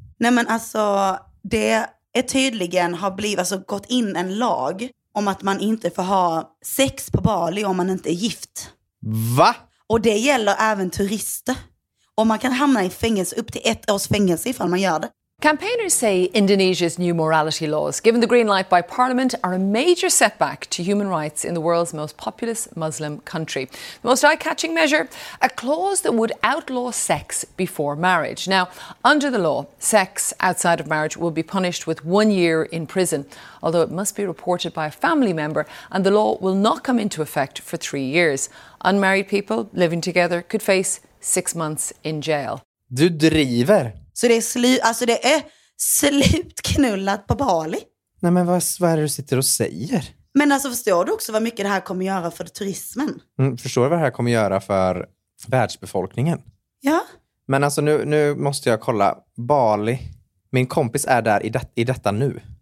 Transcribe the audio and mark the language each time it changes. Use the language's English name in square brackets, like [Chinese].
[Swedish] Nej men alltså, det... är tydligen har blivit alltså gått in en lag om att man inte får ha sex på Bali om man inte är gift. Va? Och det gäller även turister. Och man kan hamna i fängelse, upp till ett års fängelse ifall man gör det. [English] Campaigners say Indonesia's new morality laws, given the green light by parliament, are a major setback to human rights in the world's most populous Muslim country. The most eye-catching measure, a clause that would outlaw sex before marriage. Now, under the law, sex outside of marriage will be punished with 1 year in prison, although it must be reported by a family member, and the law will not come into effect for 3 years. Unmarried people living together could face 6 months in jail. [Swedish] Du driver. Så det är slutknullat på Bali. Nej, men vad är det du sitter och säger? Men alltså, förstår du också vad mycket det här kommer göra för turismen? Mm, förstår du vad det här kommer göra för världsbefolkningen? Ja. Men alltså, nu måste jag kolla. Bali, min kompis är där i detta nu.